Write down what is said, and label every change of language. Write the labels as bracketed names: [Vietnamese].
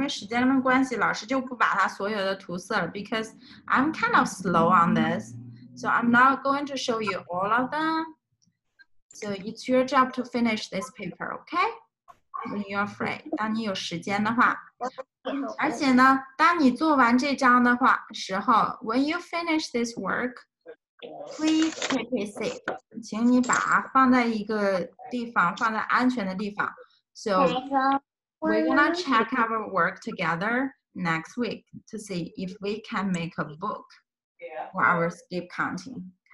[Chinese] 所以呢，在这里呢，因为时间的关系，老师就不把它所有的涂色了。 [English] Because I'm kind of slow on this, so I'm not going to show you all of them. So it's your job to finish this paper, okay? When you're free, [Chinese] 当你有时间的话。而且呢，当你做完这张的话时候， [English] when you finish this work, please keep it safe. [Chinese] 请你把它放在一个地方，放在安全的地方。 [English] So we're gonna check our work together next week to see if we can make a book for our skip counting.